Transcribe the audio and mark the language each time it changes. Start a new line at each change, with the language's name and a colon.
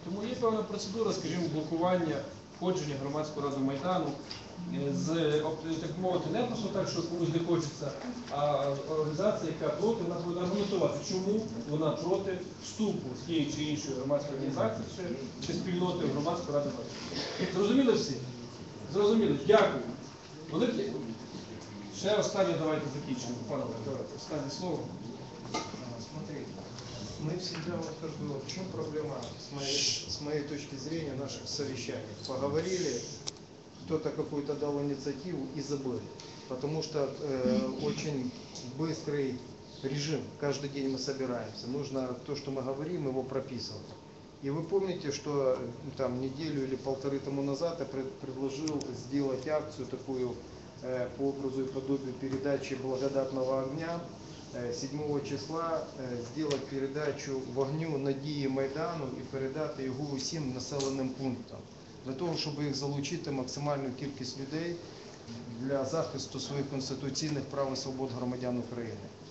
Ukrainian: Тому є певна процедура, скажімо, блокування входження громадської ради Майдану, з, так мовити, не просто так, що комусь не хочеться, а організація, яка проти, вона буде аргументувати, чому вона проти вступу з тієї чи іншої громадської організації чи спільноти в громадську раду Майдану. Зрозуміли всі? Зрозуміли. Дякую. Великі. Ще останнє давайте закінчимо. Пане Олександре, останнє слово.
Russian: Мы всегда вот как бы, в чем проблема с моей точки зрения наших совещаний? Поговорили, кто-то какую-то дал инициативу и забыли. Потому что очень быстрый режим, каждый день мы собираемся. Нужно то, что мы говорим, его прописывать. И вы помните, что там неделю или полторы тому назад я предложил сделать акцию такую по образу и подобию передачи благодатного огня.
Ukrainian: 7 числа сделать передачу «Вогню надії Майдану» і передати його усім населеним пунктам, для того, щоб їх залучити максимальну кількість людей для захисту своїх конституційних прав і свобод громадян України.